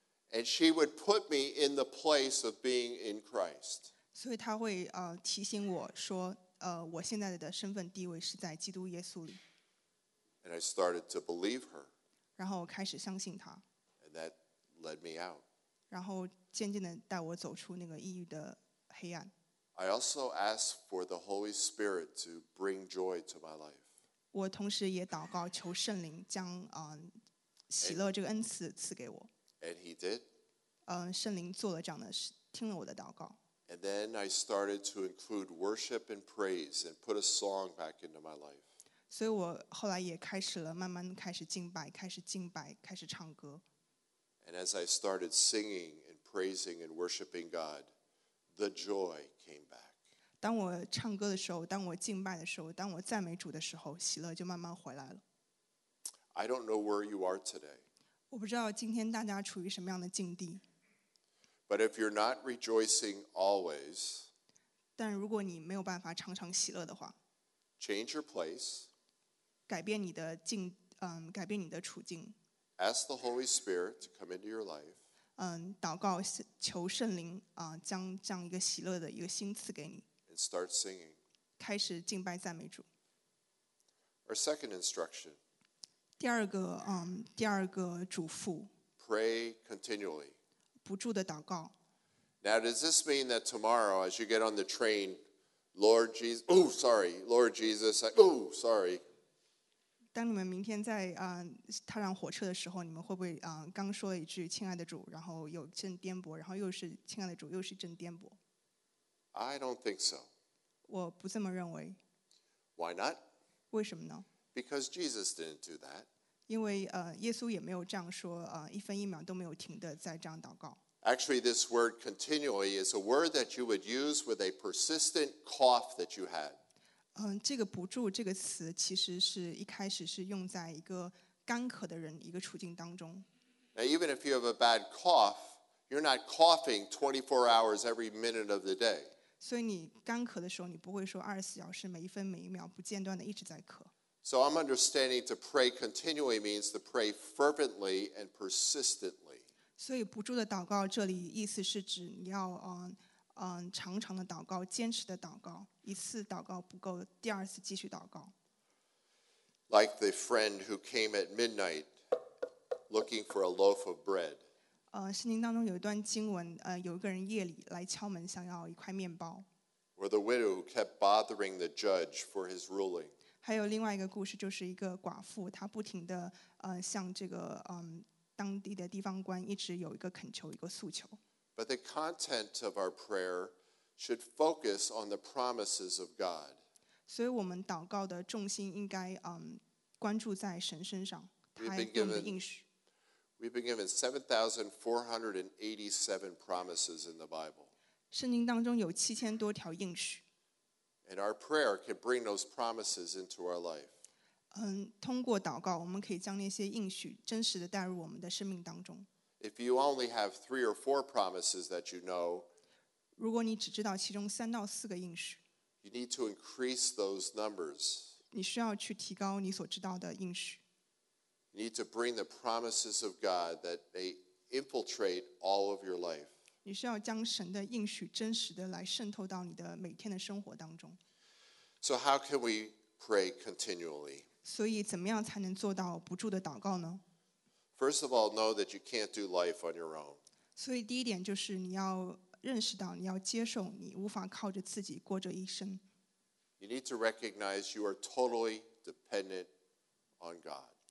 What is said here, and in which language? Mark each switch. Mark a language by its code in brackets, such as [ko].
[en] And she would put me in the place of being in Christ. [zh] 所以她会提醒我说，我现在的身份地位是在基督耶稣里。 [en] And I started to believe her. [zh] 然后我开始相信她。 [en] And that led me out. [zh] 然后渐渐地带我走出那个抑郁的黑暗。 [en] I also asked for the Holy Spirit to bring joy to my life. [zh] 我同时也祷告求圣灵将喜乐这个恩赐赐给我。 [en] And he did. [zh] 圣灵做了这样的事，听了我的祷告。 [en] And then I started to include worship and praise and put a song back into my life. [zh] 所以我后来也开始了，慢慢开始敬拜，开始敬拜，开始唱歌。 [en] And as I started singing and praising and worshiping God, the joy came back. [zh] 当我唱歌的时候，当我敬拜的时候，当我赞美主的时候，喜乐就慢慢回来了。 [en] I don't know where you are today. [zh] 我不知道今天大家处于什么样的境地。 [en] But if you're not rejoicing always, [zh] 但如果你没有办法常常喜乐的话， [en] change your place, [zh] 改变你的境，改变你的处境。 [en] Ask the Holy Spirit to come into your life. [zh] 祷告求圣灵将这样一个喜乐的一个心赐给你。 [en] And start singing. [zh] 开始敬拜赞美主。 [en] Our second instruction. [zh] 第二个第二个嘱咐。 [en] Pray continually. [zh] 不住的祷告。 [en] Now, does this mean that tomorrow, as you get on the train, Lord Jesus, oh, sorry, Lord Jesus, oh, sorry. [zh] 当你们明天在踏上火车的时候，你们会不会刚说一句"亲爱的主"，然后有阵颠簸，然后又是"亲爱的主"，又是一阵颠簸 [en] ？I don't think so. [zh] 我不这么认为。 [en] Why not? [zh] 为什么呢 [en] ？Because Jesus didn't do that. [zh] 因为耶稣也没有这样说一分一秒都没有停的在这样祷告。 [en] Actually, this word continually is a word that you would use with a persistent cough that you had. [zh] 这个不住这个词其实是一开始是用在一个干咳的人一个处境当中。 [en] Now, even if you have a bad cough, you're not coughing 24 hours every minute of the day. [zh] 所以你干咳的时候，你不会说二十四小时每一分每一秒不间断的一直在咳。 [en] So I'm understanding to pray continually means to pray fervently and persistently. [zh] 所以不住的祷告这里意思是指你要长长的祷告，坚持的祷告，一次祷告不够，第二次继续祷告。 [en] Like the friend who came at midnight looking for a loaf of bread. [zh] 圣经当中有一段经文，有一个人夜里来敲门，想要一块面包。 [en] Or the widow who kept bothering the judge for his ruling. [zh] 还有另外一个故事，就是一个寡妇，她不停的向这个当地的地方官一直有一个恳求，一个诉求。 [en] But the content of our prayer should focus on the promises of God. [zh] 所以我们祷告的重心应该关注在神身上，他给我们的应许。 [en] We've been given 7,487 promises in the Bible. [zh] 圣经当中有七千多条应许。 [en] And our prayer can bring those promises into our life. [zh] 通过祷告，我们可以将那些应许真实的带入我们的生命当中。 [en] If you only have three or four promises that you know, [zh] 如果你只知道其中三到四个应许， [en] you need to increase those numbers. [zh] 你需要去提高你所知道的应许。 [en] You need to bring the promises of God that they infiltrate all of your life. [zh] 你需要将神的应许真实的来渗透到你的每天的生活当中。 [en] So how can we pray continually? [zh] 所以怎么样才能做到不住的祷告呢？ [en] First of all, know that you can't do life on your own. [zh] 所以第一点就是你要认识到，你要接受，你无法靠着自己过这一生。 [en] You need to recognize you are totally dependent on God.